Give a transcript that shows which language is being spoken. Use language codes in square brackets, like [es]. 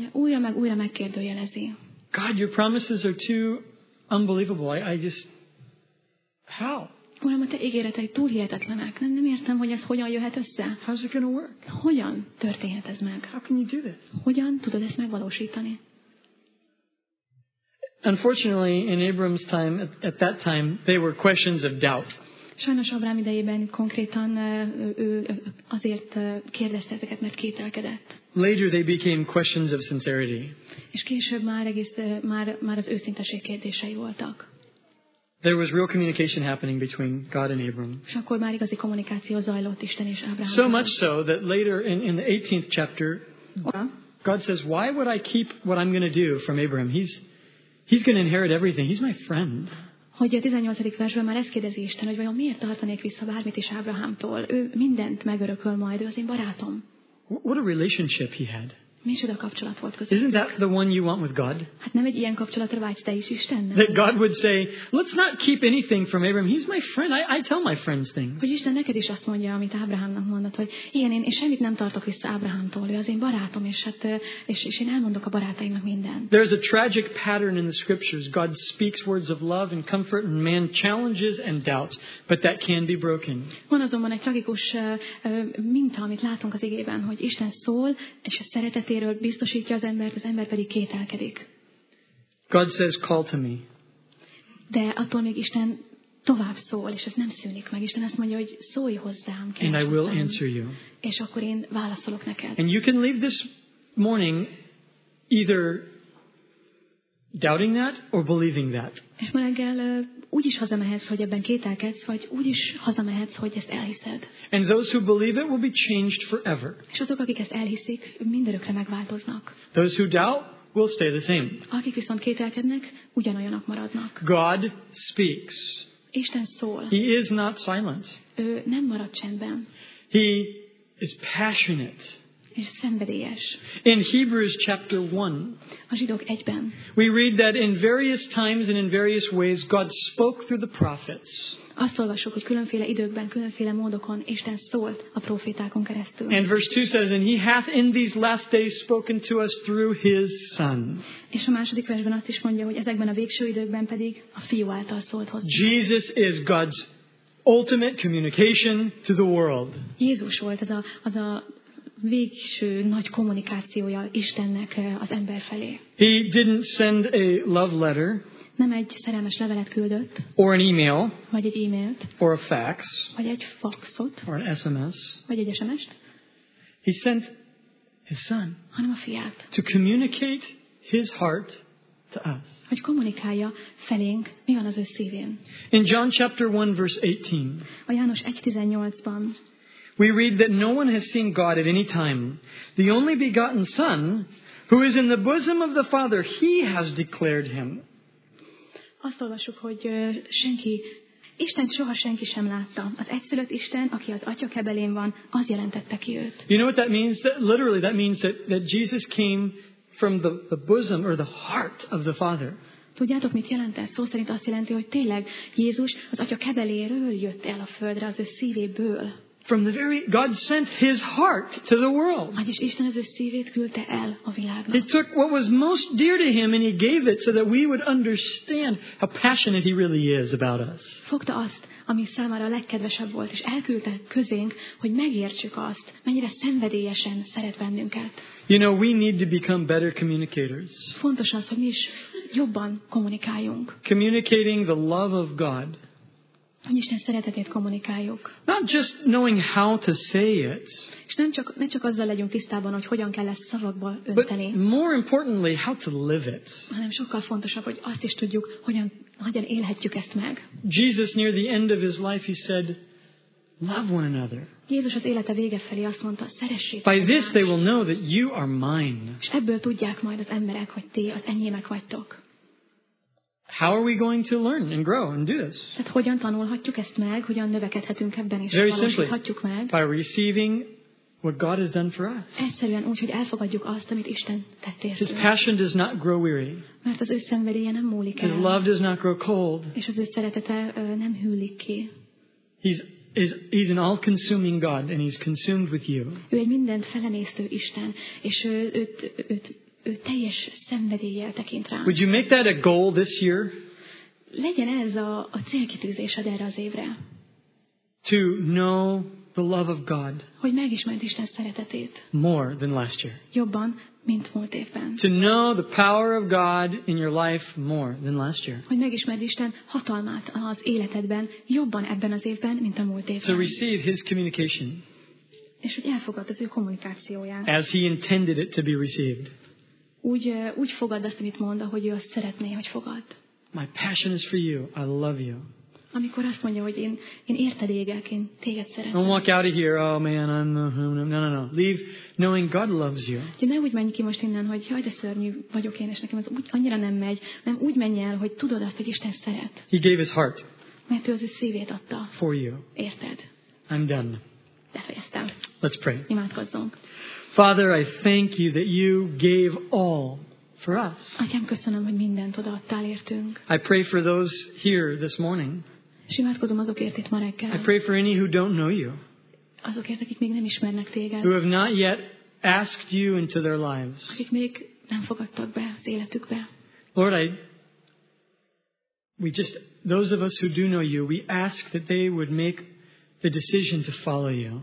[hu] Ja, újra meg újra megkérdőjelezi. [en] God, your promises are too unbelievable. I just... How? [hu] Uram, a te ígéreteid túl hihetetlenek. Nem értem, hogy ez hogyan jöhet össze. [en] How's it going to work? [hu] Hogyan történhet ez meg? [en] How can you do this? [hu] Hogyan tudod ezt megvalósítani? [en] Unfortunately, in Abram's time, at that time, they were questions of doubt. [hu] Sajnos Abraham idejében konkrétan ő azért kérdezte ezeket, mert kételkedett. [en] Later they became questions of sincerity. [hu] És később már egész már az őszinteség kérdései voltak. [en] There was real communication happening between God and Abram. [hu] És akkor már igazi kommunikáció zajlott Isten és Abraham. [en] So much so that later in the 18th chapter, God says, "Why would I keep what I'm going to do from Abraham? He's going to inherit everything. He's my friend." [hu] Hogy a 18. versben már ezt kérdezi Isten, hogy vajon miért tartanék vissza bármit is Ábrahámtól? Ő mindent megörököl majd, ő az én barátom. [en] What a relationship he had. [hu] Micsoda kapcsolat volt közöttük. [en] Isn't that the one you want with God? [hu] Hát nem egy ilyen kapcsolatra vágysz te is Istennel? [en] That God would say, let's not keep anything from Abraham. He's my friend. I tell my friends things. [hu] Hogy Isten neked is azt mondja, amit Ábrahámnak mondott, hogy igen, én semmit nem tartok vissza Ábrahámtól. Ő az én barátom, és hát és én elmondok a barátaimnak mindent. [en] There's a tragic pattern in the scriptures. God speaks words of love and comfort, and man challenges and doubts, but that can be broken. [hu] Van azonban egy tragikus minta, amit látunk az igében, hogy Isten szól, és a szeretet éről biztosítja az ember pedig kételkedik. [en] God says, call to me. [hu] De attól még Isten tovább szól, és ez nem szűnik meg. Isten azt mondja, hogy szólj hozzám. [en] And I will answer you. [hu] És akkor én válaszolok neked. [en] And you can leave this morning either doubting that or believing that. [hu] És ma reggel úgy is hazamehetsz, hogy ebben kételkedsz, vagy úgy is hazamehetsz, hogy ezt elhiszed. [en] And those who believe it will be changed forever. [hu] És azok, akik ezt elhiszik, mindörökre megváltoznak. [en] Those who doubt will stay the same. [hu] Akik viszont kételkednek, ugyanolyanok maradnak. [en] God speaks. [hu] Isten szól. [en] He is not silent. [hu] Ő nem marad csendben. [en] He is passionate. [hu] És szenvedélyes. [en] In Hebrews chapter 1, [hu] a zsidók egyben, [en] we read that in various times and in various ways God spoke through the prophets. [hu] Azt olvassuk, hogy különféle időkben, különféle módokon Isten szólt a prófétákon keresztül. [en] And verse 2 says, and he hath in these last days spoken to us through his son. [hu] És a második versben azt is mondja, hogy ezekben a végső időkben pedig a fiú által szólt hozzá. [en] Jesus is God's ultimate communication to the world. [hu] Jézus volt az a végső nagy kommunikációja Istennek az ember felé. [en] He didn't send a love letter. [hu] Nem egy szerelmes levelet küldött. [en] Or an email. [hu] Vagy egy e-mailt. [en] Or a fax. [hu] Vagy egy faxot. [en] Or an SMS. [hu] Vagy egy SMS-t. [en] He sent his son. [hu] Hanem a fiát. [en] To communicate his heart to us. [hu] Hogy kommunikálja felénk, mi van az ő szívén. [en] In John chapter 1 verse 18. [hu] A János 1:18-ban. [en] We read that no one has seen God at any time. The only begotten Son, who is in the bosom of the Father, he has declared him. [hu] Azt olvassuk, hogy senki, Isten soha senki sem látta. Az egyszülött Isten, aki az Atya kebelén van, az jelentette ki őt. [en] You know what that means? Literally, that means that Jesus came from the bosom or the heart of the Father. [hu] Tudjátok, mit jelent ez? Szó szerint azt jelenti, hogy tényleg Jézus az Atya kebeléről jött el a földre, az ő szívéből. [en] From the very God sent his heart to the world. [hu] Vagyis Isten az ő szívét küldte el a világnak. [en] He took what was most dear to him and he gave it so that we would understand how passionate he really is about us. [hu] Fogta azt, ami számára a legkedvesebb volt, és elküldte közénk, hogy megértsük azt, mennyire szenvedélyesen szeret bennünket. [en] You know, we need to become better communicators. [hu] Fontos az, hogy mi is jobban kommunikáljunk. [en] Communicating the love of God. [hu] Hogy Isten szeretetét kommunikáljuk. [en] Not just knowing how to say it. [hu] És nem csak azzal legyünk tisztában, hogy hogyan kell ezt szavakba önteni. [en] But more importantly, how to live it. [hu] Hanem sokkal fontosabb, hogy azt is tudjuk, hogyan élhetjük ezt meg. [en] Jesus near the end of his life, he said, love one another. [hu] Jézus az élete vége felé azt mondta, szeressétek. [en] By this they will know that you are mine. [hu] És ebből tudják majd az emberek, hogy ti az enyémek vagytok. [en] How are we going to learn and grow and do this? [hu] Tehát hogyan tanulhatjuk ezt meg, hogyan növekedhetünk ebben és valósíthatjuk meg? [en] By receiving what God has done for us. [hu] Egyszerűen úgy, hogy elfogadjuk azt, amit Isten tett értünk. [en] His passion does not grow weary. [hu] Mert az ő szenvedélye nem múlik el. [en] His love does not grow cold. [hu] És az ő szeretete nem hűlik ki. [en] He's an all-consuming God and he's consumed with you. [hu] Ő egy mindent felemésztő Isten, és ő teljes szenvedéllyel tekint rám. [en] Would you make that a goal this year? [hu] Legyen ez a célkitűzésed erre az évre. [en] To know the love of God. [hu] Hogy megismerd Isten szeretetét. [en] More than last year. [hu] Jobban, mint múlt évben. [en] To know the power of God in your life more than last year. [hu] Hogy megismerd Isten hatalmát az életedben, jobban ebben az évben, mint a múlt évben. [en] To receive His communication. [hu] És hogy elfogadd az ő kommunikációját. [en] As He intended it to be received. [hu] Úgy fogadd azt, amit mond, ahogy ő azt szeretné, hogy fogadd. [en] My passion is for you. I love you. [hu] Amikor azt mondja, hogy én érted égek, én téged szeretem. [en] Don't walk out of here, oh man, no. Leave knowing God loves you. [hu] De ne úgy menj ki most innen, hogy jaj, de szörnyű vagyok én, és nekem ez úgy annyira nem megy, hanem úgy menj el, hogy tudod azt, hogy Isten szeret. [en] He gave his heart. [hu] Mert ő az ő szívét adta. [en] For you. [hu] Érted. [en] I'm done. [hu] Befejeztem. [en] Let's pray. [hu] Imádkozzunk. [en] Father, I thank you that you gave all for us. [hu] Atyám, köszönöm, hogy mindent odaadtál értünk. [en] I pray for those here this morning. [hu] És imádkozom azokért itt ma reggel. [en] I pray for any who don't know you. [hu] Azokért, akik még nem ismernek téged. [en] Who have not yet asked you into their lives. [hu] Akik még nem fogadtak be az életükbe. [en] Lord, those of us who do know you, we ask that they would make the decision to follow you.